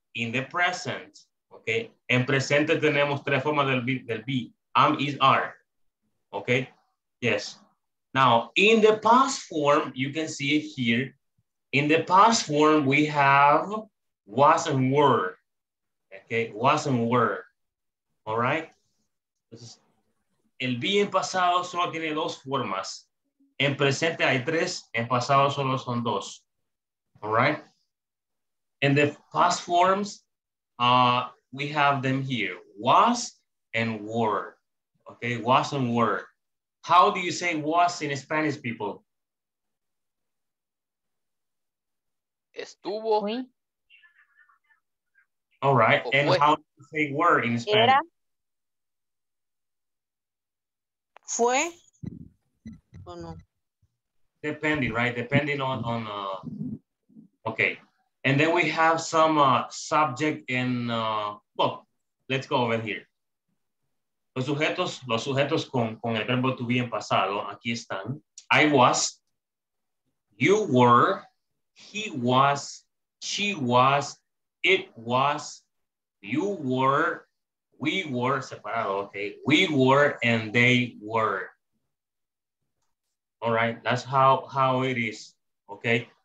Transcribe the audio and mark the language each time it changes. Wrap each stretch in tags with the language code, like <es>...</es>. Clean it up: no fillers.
<en>In the present, okay?</en> <es>En presente tenemos tres formas del</es> <en>be, am, is, are, okay? Yes. Now, in the past form, you can see it here. In the past form, we have was and were, okay? Was and were, all right?</en> <es>Entonces, el be en pasado solo tiene dos formas. En presente hay tres, en pasado solo son dos,</es> <en>all right? In the past forms, we have them here, was and were, okay? Was and were. How do you say was in Spanish, people?</en> <es>Estuvo.</es> <en>All right, and how do you say were in Spanish?</en> <es>Era. Fue. O no.</es> <en>Depending, right? Depending on okay. And then we have some subject and, well, let's go over here.</en> <es>Los sujetos con el verbo to be en pasado, aquí están.</es> <en>I was, you were, he was, she was, it was, you were, we were, separado, okay. We were and they were. All right, that's how it is, okay.</en>